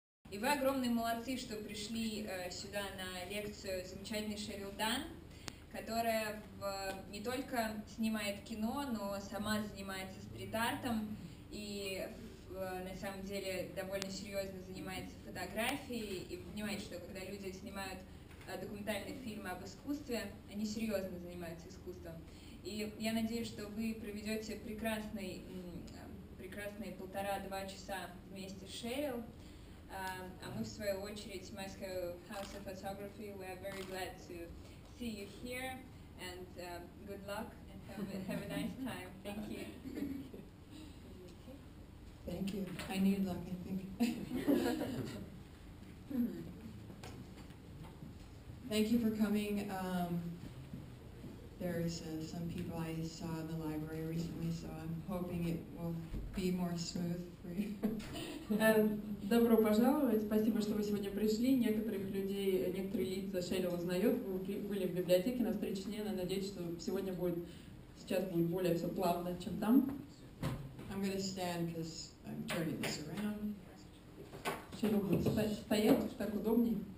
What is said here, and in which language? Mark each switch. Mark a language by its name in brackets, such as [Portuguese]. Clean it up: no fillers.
[Russian] И вы огромные молодцы, что пришли сюда на лекцию замечательной Шерил Данн, которая не только снимает кино, но сама занимается стрит-артом и на самом деле довольно серьезно занимается фотографией и понимает, что когда люди снимают документальные фильмы об искусстве, они серьезно занимаются искусством. И я надеюсь, что вы проведете прекрасные полтора-два часа вместе с Шерил. А мы, в свою очередь, [English] Moscow House of Photography, we are very glad to see you here, and good luck, and have a nice time. Thank you. Thank you. I need luck, I think. Thank you for coming. There's some people I saw in the library recently, so I'm hoping it will be more smooth for you. [Russian] Добро пожаловать. Спасибо, что вы сегодня пришли. Некоторых людей, некоторые лица Шерил узнает. Вы были в библиотеке на встрече с ней. Я надеюсь, что сегодня будет, сейчас будет более все плавно, чем там. [English] I'm gonna stand because I'm turning this around. [Russian] Шерил будет стоять, так удобней.